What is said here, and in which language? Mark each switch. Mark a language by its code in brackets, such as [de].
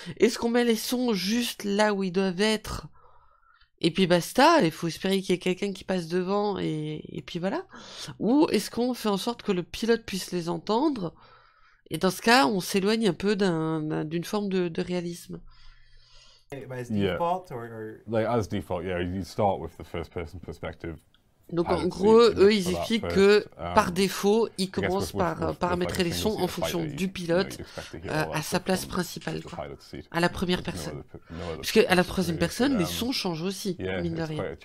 [fr] Est-ce qu'on met les sons juste là où ils doivent être? Et puis basta, il faut espérer qu'il y ait quelqu'un qui passe devant, et puis voilà. Ou est-ce qu'on fait en sorte que le pilote puisse les entendre? Et dans ce cas, on s'éloigne un peu d'une forme de réalisme. [en] As default, you start with the first person perspective. [fr] Donc en gros, eux, ils expliquent que par défaut, ils commencent par paramétrer les sons en fonction du pilote à sa place principale, quoi, à la première personne. Parce qu'à la troisième personne, les sons changent aussi, mine de rien.